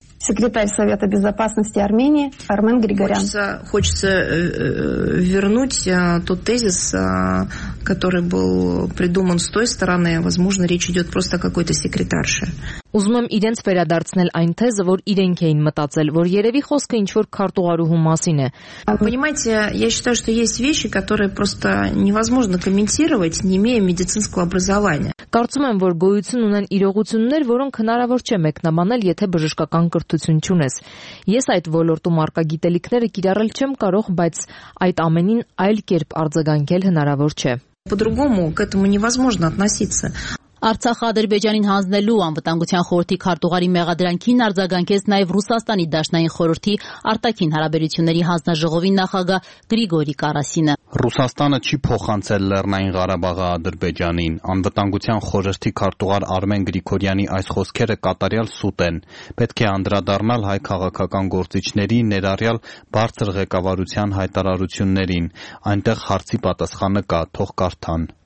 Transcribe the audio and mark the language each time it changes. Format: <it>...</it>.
<ru>Секретарь Совета Безопасности Армении Армен Григорян. Хочется вернуть тот тезис, который был придуман с той стороны. Возможно, речь идет просто о какой-то секретарше.</ru> <hy>Ուզում եմ իրենց վերադարձնել այն թեզը, որ իրենք էին մտածել, որ երևի խոսքը ինչ-որ քարտուղարուհու մասին է։</hy> <ru>Понимаете, я считаю, что есть вещи, которые просто невозможно комментировать, не имея медицинского образования.</ru> <hy>Կարծում եմ, որ գոյություն ունեն իրողություններ, որոնք հնարավոր չէ մեկնաբանել, եթե բժշկական կրթություն չունես։ Ես այդ ոլորտում արկագիտելիքները կիրառել չեմ կարող, բայց այդ ամենին այլ կերպ արձագանքել հնարավոր չէ։</hy> <ru>По-другому к этому невозможно относиться.</ru> <hy>Արցախը Ադրբեջանին հանձնելու անվտանգության խորհրդի քարտուղարի մեղադրանքին արձագանքեց նաև Ռուսաստանի Դաշնային խորհրդի արտաքին հարաբերությունների հանձնաժողովի նախագահ Գրիգորի Կարասինը։ Ռուսաստանը չի փոխանցել Լեռնային Ղարաբաղը Ադրբեջանին։ Անվտանգության խորհրդի քարտուղար Արմեն Գրիգորյանի այս խոսքերը կատարյալ սուտ են։ Պետք է անդրադառնալ հայ քաղաքական գործիչների ներառյալ բարձր ղեկավարության հայտարարություններին, այնտեղ հարցի պատասխանը կա, թող կարդան։</hy>